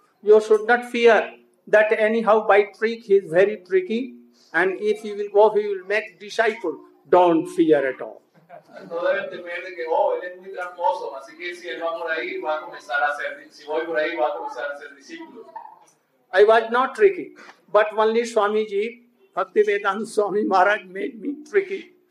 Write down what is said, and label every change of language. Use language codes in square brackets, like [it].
[en] You should not fear that anyhow by trick he is very tricky and if he will go he will make disciple. Don't fear at all. [es] No deben temer de que él es muy tramposo, así que si él va por ahí va a comenzar a ser, si voy por ahí va a comenzar a ser discípulo. [en] I was not tricky, but only Swamiji, Bhaktivedanta Swami Maharaj made me tricky.